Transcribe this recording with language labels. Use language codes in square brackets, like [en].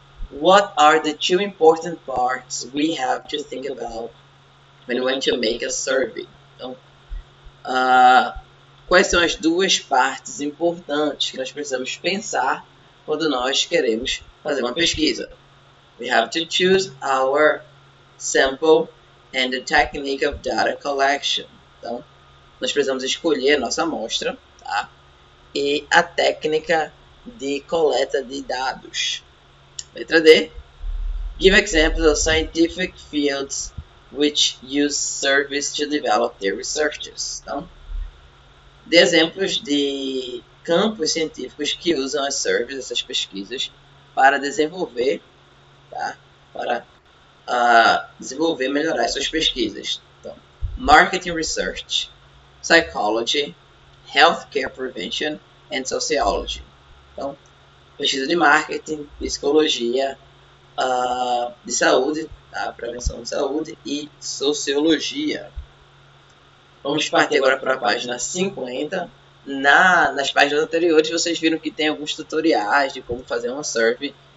[en] What are the two important parts we have to think about when we want to make a survey? [pt] Então, quais são as duas partes importantes que nós precisamos pensar quando nós queremos fazer uma pesquisa? [en] We have to choose our sample and the technique of data collection. [pt] Então, nós precisamos escolher a nossa amostra, tá? E a técnica de coleta de dados. Letra D. [en] Give examples of scientific fields which use surveys to develop their researches. [pt] Então, dê exemplos de campos científicos que usam as surveys, essas pesquisas, para desenvolver, tá? Para desenvolver e melhorar suas pesquisas. [en] Então, marketing research, psychology, healthcare prevention and sociology. [pt] Então, pesquisa de marketing, psicologia, de saúde, tá? Prevenção de saúde e sociologia. Vamos partir agora para a página 50. Nas páginas anteriores, vocês viram que tem alguns tutoriais de como fazer uma survey.